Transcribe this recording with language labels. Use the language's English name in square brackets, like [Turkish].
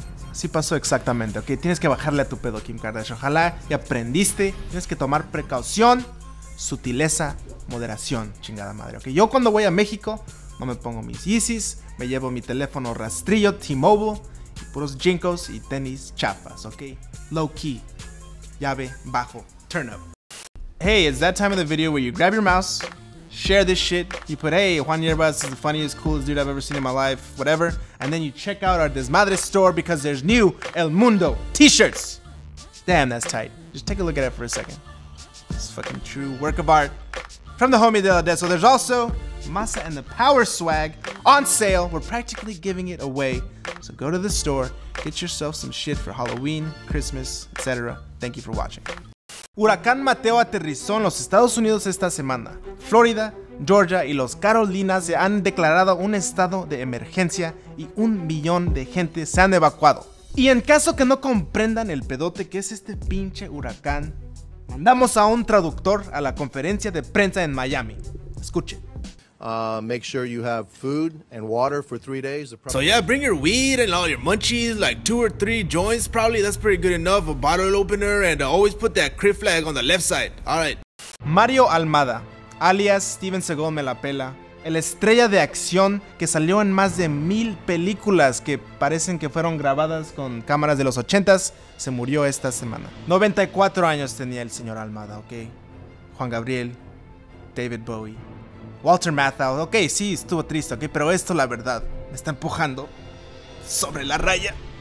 [Spanish] Así pasó exactamente, ¿ok? Tienes que bajarle a tu pedo, Kim Kardashian. Ojalá y aprendiste. Tienes que tomar precaución, sutileza, moderación, chingada madre, ¿ok? Yo cuando voy a México, no me pongo mis Yeezys, me llevo mi teléfono rastrillo, T-Mobile, y puros Jinkos y tenis chafas, ¿ok? [English] Low key, [Spanish] llave, bajo, [English] turn up. Hey, it's that time of the video where you grab your mouse, share this shit, you put, hey, Juan Hierbas is the funniest, coolest dude I've ever seen in my life, whatever, and then you check out our Desmadre store because there's new El Mundo t-shirts. Damn, that's tight. Just take a look at it for a second. It's fucking true work of art from the homie De La Dezo. There's also Masa and the Power swag on sale. We're practically giving it away. So go to the store, get yourself some shit for Halloween, Christmas, etc. Thank you for watching. [Spanish] Huracán Mateo aterrizó en los Estados Unidos esta semana. Florida, Georgia y los Carolinas se han declarado un estado de emergencia y 1 millón de gente se han evacuado. Y en caso que no comprendan el pedote que es este pinche huracán, mandamos a un traductor a la conferencia de prensa en Miami. Escuchen. [English] Make sure you have food and water for 3 days. So yeah, bring your weed and all your munchies, like 2 or 3 joints probably. That's pretty good enough. A bottle opener and always put that crit flag on the left side. All right. [Spanish] Mario Almada, alias Steven Seagal me la pela, el estrella de acción que salió en más de 1,000 películas que parecen que fueron grabadas con cámaras de los 80s, se murió esta semana. 94 años tenía el señor Almada, ¿ok? Juan Gabriel, David Bowie, Walter Matthau, ok, sí, estuvo triste, ok, pero esto, la verdad, me está empujando sobre la raya.